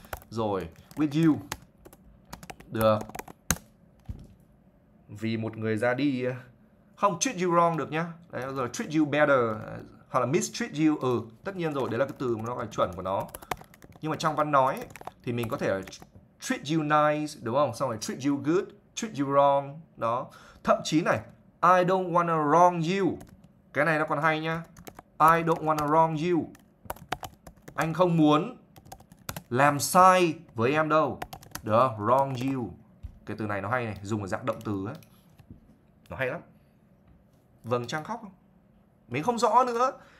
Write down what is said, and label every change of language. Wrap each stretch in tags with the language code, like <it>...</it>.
<vi>Rồi,</vi> <en>with you.</en> <vi>Được. Vì một người ra đi. Không,</vi> <en>treat you wrong</en> <vi>được nhá. Đấy, rồi</vi> <en>treat you better.</en> <vi>Hoặc là</vi> <en>mistreat you.</en> <vi>Ừ, tất nhiên rồi, đấy là cái từ mà nó là chuẩn của nó. Nhưng mà trong văn nói ấy, thì mình có thể</vi> <en>treat you nice,</en> <vi>đúng không? Xong rồi</vi> <en>treat you good, treat you wrong.</en> <vi>Đó. Thậm chí này,</vi> <en>I don't wanna wrong you.</en> <vi>Cái này nó còn hay nhá.</vi> <en>I don't wanna wrong you.</en> <vi>Anh không muốn làm sai với em đâu. Được không?</vi> <en>Wrong you.</en> <vi>Cái từ này nó hay này, dùng ở dạng động từ ấy. Nó hay lắm. Vầng trăng khóc. Mình không rõ nữa.</vi>